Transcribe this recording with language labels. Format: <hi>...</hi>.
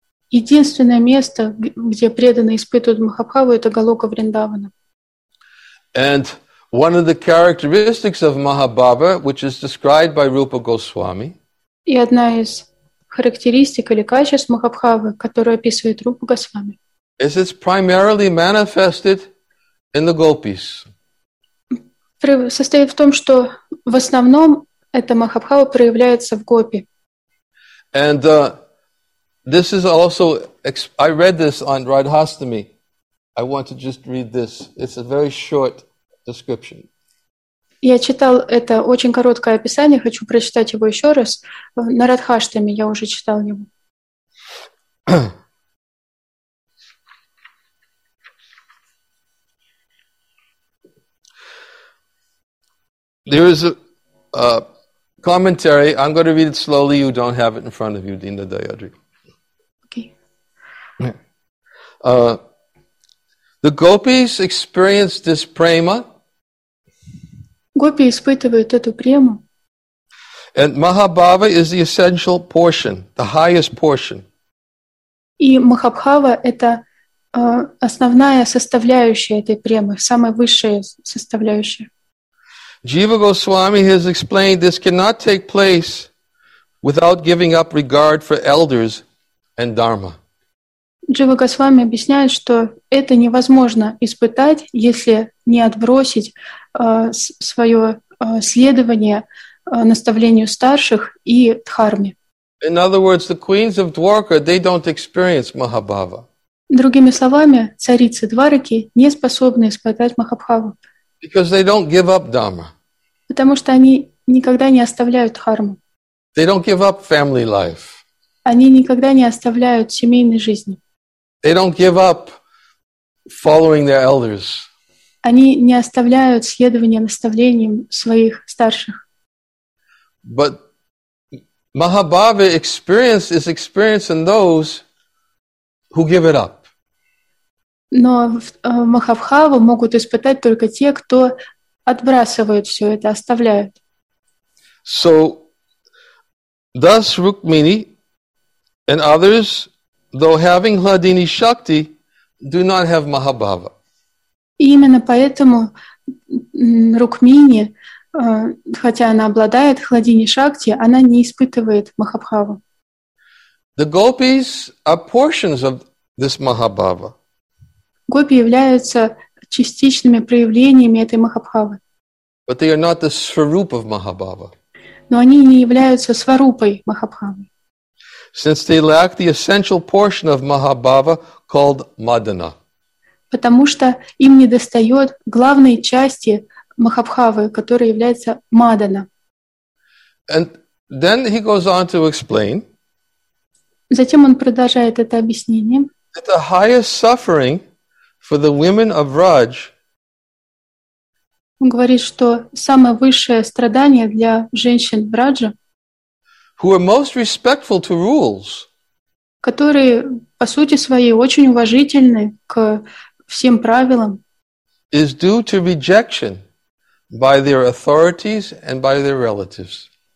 <ru>Единственное место, где преданные испытывают Махабхаву, это Голока Вриндавана.</ru> <en>And One of the characteristics of Mahabhava, which is described by Rupa Goswami,</en> <ru>и одна из характеристик или качеств Махабхавы, которую описывает Рупа Госвами,</ru> <en>is it's primarily manifested in the gopis.</en> <ru>Состоит в том, что в основном эта Махабхава проявляется в гопи.</ru> <en>And this is also, I read this on Radhastami. I want to just read this. It's a very short description.</en> <ru>Я читал это очень короткое описание, хочу прочитать его еще раз. На Радхаштами я уже читал его.</ru> <en>There is a commentary. I'm going to read it slowly. You don't have it in front of you, Dina Dayadri. Okay. The gopis experienced this prema.</en> <ru>Гопи испытывают эту прему.</ru> <en>And Mahabhava is the essential portion, the highest portion.</en> <ru>И Махабхава – это основная составляющая этой премы, самая высшая составляющая.</ru> <en>Jiva Goswami has explained this cannot take place without giving up regard for elders and dharma.</en> <ru>Джива Госвами объясняет, что это невозможно испытать, если не отбросить свое следование наставлению старших и дхарме.</ru> <en>In other words, the queens of Dwarka, they don't experience Mahabhava.</en> <ru>Другими словами, царицы Двараки не способны испытать Махабхаву.</ru> <en>Because they don't give up dharma.</en> <ru>Потому что они никогда не оставляют дхарму.</ru> <en>They don't give up family life.</en> <ru>Они никогда не оставляют семейной жизни.</ru> <en>They don't give up following their elders.</en> <ru>Они не оставляют следование наставлениям своих старших.</ru> <en>But Mahabhava experience is experience in those who give it up.</en> <ru>Но Махабхаву могут испытать только те, кто отбрасывают все это, оставляют.</ru> <en>So, thus Rukmini and others, though having Hladini Shakti, do not have Mahabhava.</en> <ru>Именно поэтому Рукмини, хотя она обладает Хладини Шакти, она не испытывает Махабхаву.</ru> <en>The gopis are portions of this Mahabhava.</en> <ru>Гопи являются частичными проявлениями этой Махабхавы.</ru> <en>But they are not the Swarup of Mahabhava.</en> <ru>Но они не являются Сварупой Махабхавы.</ru> <en>Since they lack the essential portion of Mahabhava called Madana.</en> <ru>Потому что им недостает главной части Махабхавы, которая является Мадана.</ru> <en>And then he goes on to explain.</en> <ru>Затем он продолжает это объяснение.</ru> <en>That the highest suffering for the women of Raj.</en> <ru>Он говорит, что самое высшее страдание для женщин в Раджа,</ru> <en>who are most respectful to rules,</en> <ru>которые, по сути своей, очень уважительны к всем правилам,</ru> <en>is due to rejection by their authorities and by their relatives.</en>